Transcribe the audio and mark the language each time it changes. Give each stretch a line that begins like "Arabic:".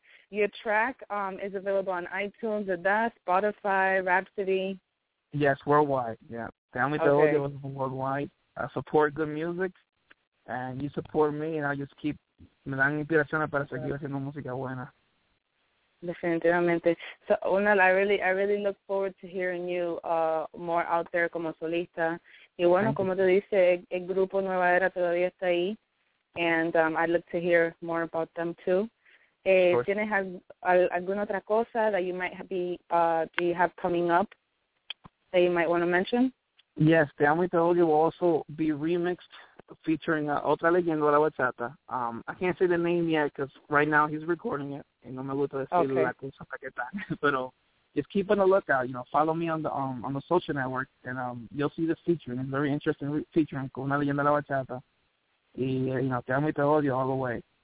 English: Your track is available on iTunes, Spotify, Rhapsody. Yes, worldwide, yeah. Family okay. Was worldwide. I support good music, and you support me, and I just keep...
Spanish: Me dan inspiraciones para seguir haciendo música buena. Definitivamente.
English: So, Unal, I really look forward to hearing you more out there
Spanish: como solista. Y bueno, como te dice, el grupo Nueva Era todavía está ahí.
English: And I'd love to hear more about them too.
Spanish: ¿Tienes alguna otra cosa
English: that you might be do you have coming up that you might want to mention? Yes, Te Amo y Te Odio will also be remixed featuring
Spanish: otra leyenda de la bachata.
English: I can't say the name yet because right now he's recording it.
Spanish: Y no me gusta decir la cosa para que está. Pero...
English: Just keep on the lookout, you know, follow me on the social network, and you'll see this featuring, a very interesting featuring,
Spanish: con una leyenda de la bachata, y,
English: you know, Te Amo y Te Odio all the way.